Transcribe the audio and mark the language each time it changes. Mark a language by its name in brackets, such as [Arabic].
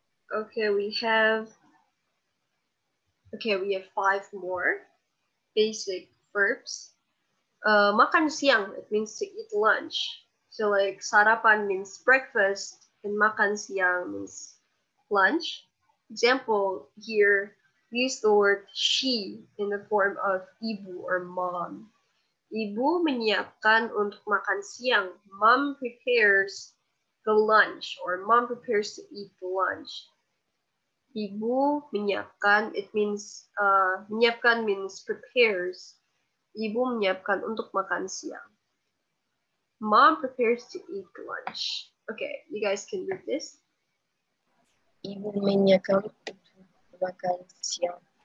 [English] Okay, we have 5 more basic verbs. Makan siang, it means to eat lunch. So like sarapan means breakfast and makan siang means lunch. Example here, we use the word she in the form of ibu or mom. [Indonesian] Ibu menyiapkan untuk makan siang. [English] Mom prepares the lunch, or mom prepares to eat the lunch. [Indonesian] Ibu menyiapkan, [English] it means, menyiapkan means prepares. [Indonesian] Ibu menyiapkan untuk makan siang. [English] Mom prepares to eat lunch. Okay, you guys can read this. [Indonesian] Ibu menyiapkan untuk makan siang.